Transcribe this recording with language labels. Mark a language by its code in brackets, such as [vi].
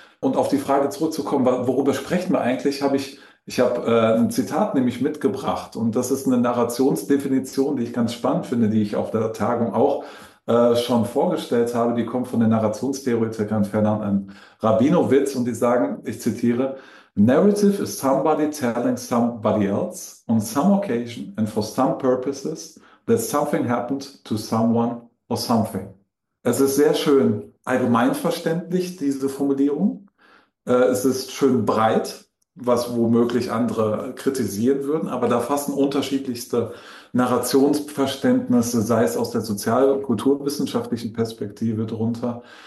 [de] Und auf die Frage zurückzukommen, worüber sprechen wir eigentlich, ich habe ein Zitat nämlich mitgebracht. Und das ist eine Narrationsdefinition, die ich ganz spannend finde, die ich auf der Tagung auch schon vorgestellt habe. Die kommt von den Narrationstheoretikern Ferdinand Rabinowitz. Und die sagen, ich zitiere, [en] Narrative is somebody telling somebody else on some occasion and for some purposes that something happened to someone or something. [de] Es ist sehr schön allgemeinverständlich, diese Formulierung. Es ist schön breit, was womöglich andere kritisieren würden, aber da fassen unterschiedlichste Narrationsverständnisse, sei es aus der sozial- und kulturwissenschaftlichen Perspektive drunter.